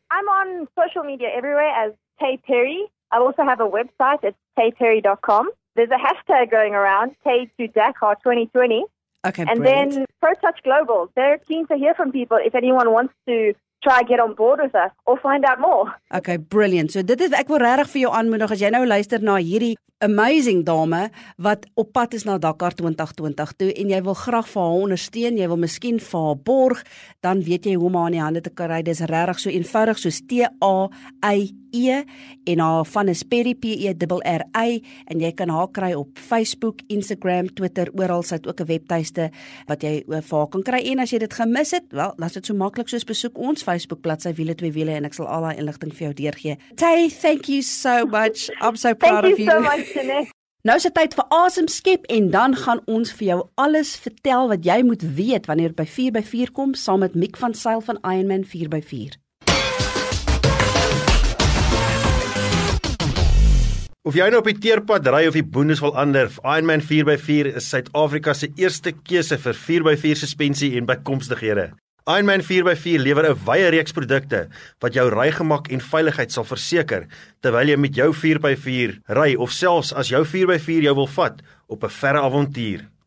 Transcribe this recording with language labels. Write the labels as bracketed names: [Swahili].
[English] I'm on social media everywhere as Tay Perry. I also have a website. It's tayperry.com. There's a hashtag going around, Tay to Dakar 2020. Okay, and brilliant. Then ProTouch Global. They're keen to hear from people if anyone wants to try get on board with us or find out more. Okay, brilliant. [Afrikaans] So dit is, ek wil regtig vir jou aanmoedig as jy nou luister na hierdie amazing dame wat op pad is na Dakar 2020 toe en jy wil graag vir haar ondersteun, jy wil miskien vir haar borg, dan weet jy hoe om haar in die hande te kry. Dis regtig so eenvoudig soos TAIE en haar van is Perry PERRI en jy kan haar kry op Facebook, Instagram, Twitter, oral. Sy het ook 'n webtuiste wat jy vir haar kan kry. En as jy dit gemis het, wel, laat dit so maklik soos besoek ons Facebook bladsy Wiele 2 Wiele en ek sal al daai inligting vir jou deurgee. [English] Tay, thank you so much. I'm so proud of you. Thank you so much. [Afrikaans] Nou is het tijd voor Awesome Skip en dan gaan ons vir jou alles vertel wat jy moet weet wanneer het by 4x4 kom, saam met Mick van Sail van Ironman 4x4. Of jy nou op die teerpad ry of die boendes wil ander, Ironman 4x4 is Suid-Afrika se eerste keuse vir 4x4 suspensie en bykomstighede. Ironman 4x4 lewer 'n wye reeks produkte wat jou rygemak en veiligheid sal verseker terwyl jy met jou 4x4 ry of selfs as jou 4x4 jou wil vat op 'n verre avontuur.